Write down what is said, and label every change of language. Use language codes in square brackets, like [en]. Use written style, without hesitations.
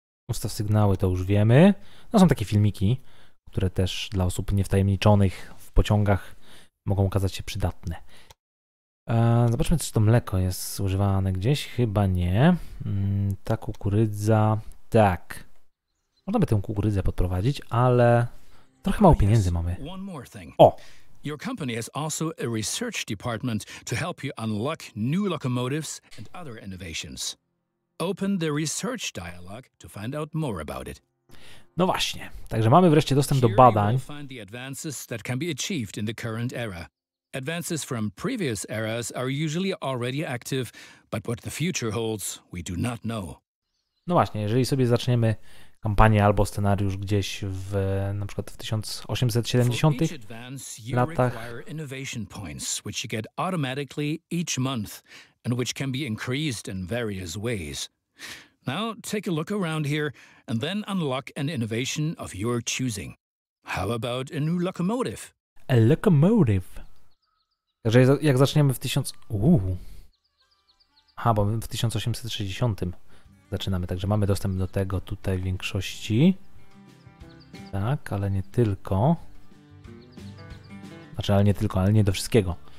[pl] Ustaw sygnały, to już wiemy. No są takie filmiki, które też dla osób niewtajemniczonych w pociągach mogą okazać się przydatne. Zobaczmy, czy to mleko jest używane gdzieś. Chyba nie. Ta kukurydza. Tak. Można by tę kukurydzę podprowadzić, ale trochę mało pieniędzy mamy. O! [en] Your company has also a research department to help you unlock new locomotives and other innovations. Open the research dialog to find out more about it. [pl] No właśnie, także mamy wreszcie dostęp do badań. [en] Here you will find the advances that can be achieved in the current era. Advances from previous eras are usually already active, but what the future holds, we do not know. [pl] No właśnie, jeżeli sobie zaczniemy kampanię albo scenariusz gdzieś w na przykład w 1870-tych latach, [en] innovation points which you get automatically each month and which can be increased in various ways. Now take a look around here and then unlock an innovation of your choosing. How about a new locomotive? A locomotive. [pl] Także jak zaczniemy w 1000 Aha, bo w 1860 zaczynamy, także mamy dostęp do tego tutaj w większości. Tak, ale nie tylko. Znaczy, ale nie tylko, ale nie do wszystkiego.